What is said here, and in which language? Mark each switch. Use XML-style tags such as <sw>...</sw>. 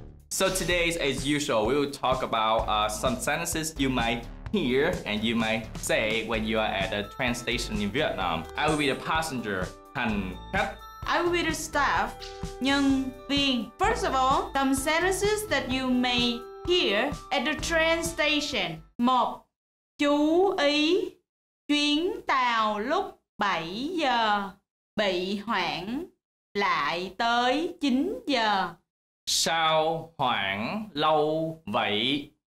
<en>So today, as usual, we will talk about some sentences you might hear and you might say when you are at a train station in Vietnam. I will be the passenger,</en> <vi>hành khách.</vi> <en>I will be the staff,</en> <vi>nhân viên.</vi> <en>First of all, some sentences that you may hear at the train station. 1.</en> <vi>Chú ý, chuyến tàu lúc 7 giờ bị hoãn lại tới 9 giờ. Sao hoãn lâu vậy?</vi>